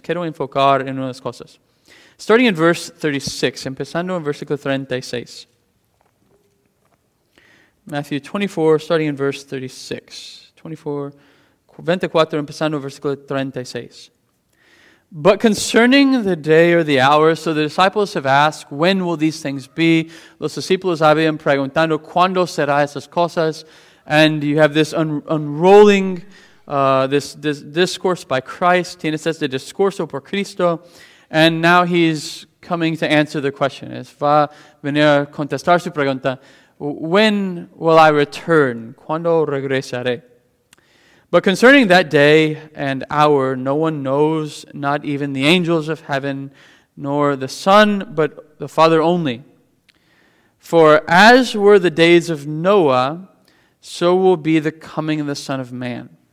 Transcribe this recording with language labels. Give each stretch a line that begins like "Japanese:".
Spanish: Quiero enfocar en unas cosas.
English: Starting in verse 36,
Spanish: empezando en versículo 36.
English: Matthew 24, starting in verse 36.
Spanish: 24, empezando versículo 36.
English: But concerning the day or the hour, so the disciples have asked, when will these things be?
Spanish: Los discípulos habían preguntando, ¿cuándo serán esas cosas?
English: And you have this unrolling, this discourse by Christ.
Spanish: Tienes este discurso por Cristo.
English: And now he's coming to answer the question.
Spanish: Es va a venir a contestar su pregunta.
English: When will I return?
Spanish: ¿Cuándo regresaré?
English: But concerning that day and hour, no one knows, not even the angels of heaven, nor the Son, but the Father only. For as were the days of Noah, so will be the coming of the Son of Man.